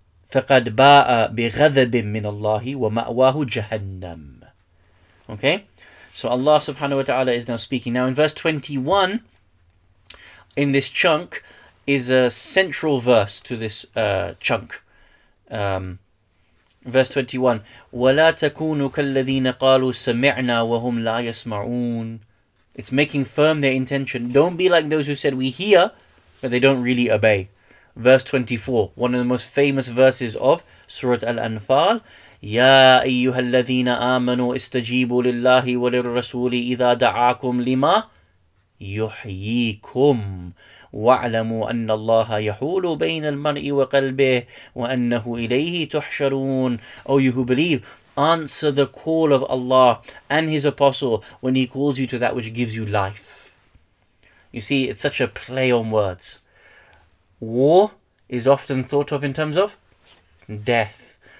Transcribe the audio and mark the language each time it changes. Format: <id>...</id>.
<ar>فَقَدْ بَاءَ بِغَذَبٍ مِّنَ اللَّهِ وَمَأْوَاهُ جَهَنَّمْ.</ar> <en>Okay, so Allah subhanahu wa ta'ala is now speaking. Now in verse 21, in this chunk, is a central verse to this chunk. Verse 21,</en> <ar>وَلَا تَكُونُوا كَالَّذِينَ قَالُوا سَمِعْنَا وَهُمْ لَا يَسْمَعُونَ.</ar> <en>It's making firm their intention. Don't be like those who said, we hear, but they don't really obey. Verse 24, one of the most famous verses of Surah Al-Anfal,</en> <ar>يَا أَيُّهَا الَّذِينَ آمَنُوا إِسْتَجِيبُوا لِلَّهِ وَلِلْرَسُولِ إِذَا دَعَاكُمْ لِمَا يُحْيِيكُمْ. وَعْلَمُوا أَنَّ اللَّهَ يَحُولُ بَيْنَ الْمَرْءِ وَقَلْبِهِ وَأَنَّهُ إِلَيْهِ تُحْشَرُونَ.</ar> <en>O you who believe, answer the call of Allah and His Apostle when He calls you to that which gives you life. You see, it's such a play on words. War is often thought of in terms of death.</en>